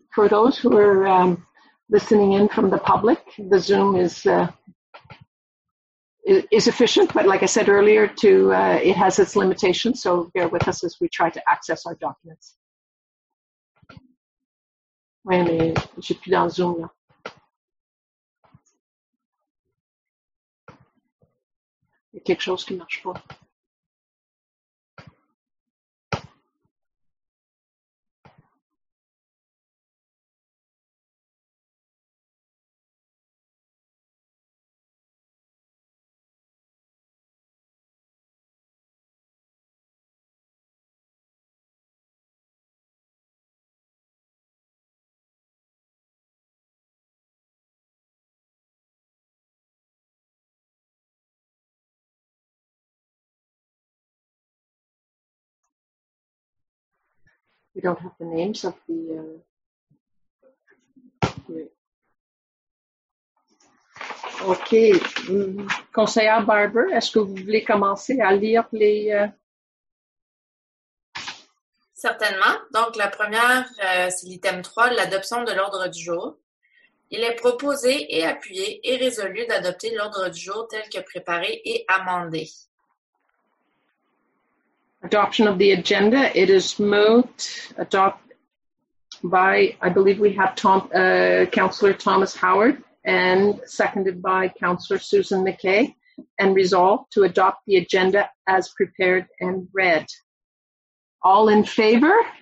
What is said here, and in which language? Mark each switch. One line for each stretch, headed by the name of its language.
English: For those who are listening in from the public, the Zoom is efficient, but like I said earlier, it has its limitations, so bear with us as we try to access our documents.
French: Oui, mais je suis plus dans Zoom, là. Il y a quelque chose qui marche pas.
English: We don't have the names of the OK.
French: Conseillère Barber, est-ce que vous voulez commencer à lire les... Certainement. Donc, la première, c'est l'item 3, l'adoption de l'ordre du jour. Il est proposé et appuyé et résolu d'adopter l'ordre du jour tel que préparé et amendé.
English: Adoption of the agenda. It is moved, adopt by, I believe we have Tom, Councillor Thomas Howard, and seconded by Councillor Susan McKay, and resolved to adopt the agenda as prepared and read. All in favor?